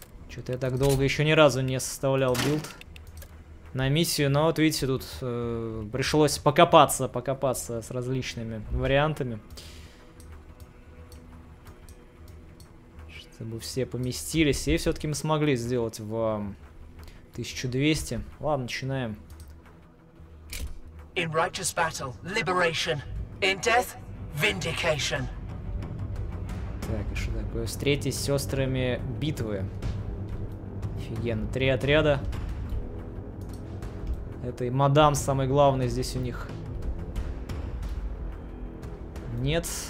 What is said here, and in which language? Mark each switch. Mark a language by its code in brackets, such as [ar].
[ru] Что-то я так долго еще ни разу не составлял билд на миссию. Но вот видите, тут пришлось покопаться с различными вариантами, чтобы все поместились. И все-таки мы смогли сделать в... 1200. Ладно, начинаем. [en] In righteous battle, liberation. In death, vindication. [ru] Так, а что такое? Встретись с сестрами битвы. Офигенно. Три отряда. Это и мадам самый главный здесь у них. Нет.